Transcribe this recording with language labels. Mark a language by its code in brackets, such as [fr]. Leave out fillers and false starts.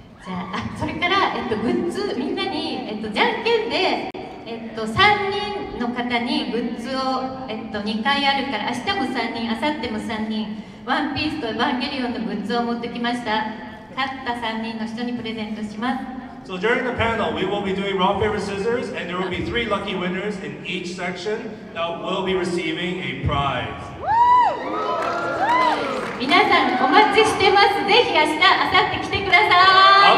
[ja] あ、それから、グッズ、みんなに、じゃんけんで、3人の方にグッズを、2回あるから、明日も3人、明後日も3人、ワンピースとエヴァンゲリオンのグッズを持ってきました。勝った3人の人にプレゼントします。 [en] So during the panel, we will be doing rock, paper, scissors, and there will be 3 lucky winners in each section that will be receiving a prize. [ja] 皆さん、お待ちしてます。ぜひ明日、明後日来てください。